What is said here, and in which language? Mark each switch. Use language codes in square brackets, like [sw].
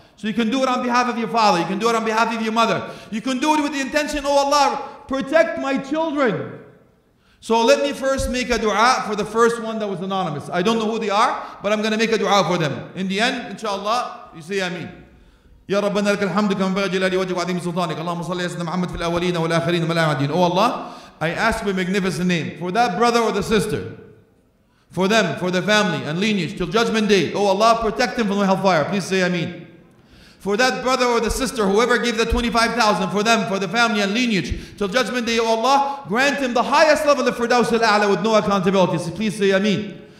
[en] So you can do it on behalf of your father. You can do it on behalf of your mother. You can do it with the intention, oh Allah, protect my children. So let me first make a dua for the first one that was anonymous. I don't know who they are, but I'm going to make a dua for them. In the end, inshallah, you see what I mean. [ar] يا ربنا لك الحمد كما ينبغي جلال وجهك وعظيم سلطانك اللهم صل على سيدنا محمد في الاولين والاخرين ملا عدين. [en] Oh Allah, I ask for a magnificent name for that brother or the sister, for them, for their family and lineage till judgment day. Oh Allah, protect them from the hellfire. Please say ameen. For that brother or the sister, whoever gave the 25,000, for them, for the family and lineage till judgment day, oh Allah, grant him the highest level of firdaus al-a'la with no accountability. Please say ameen.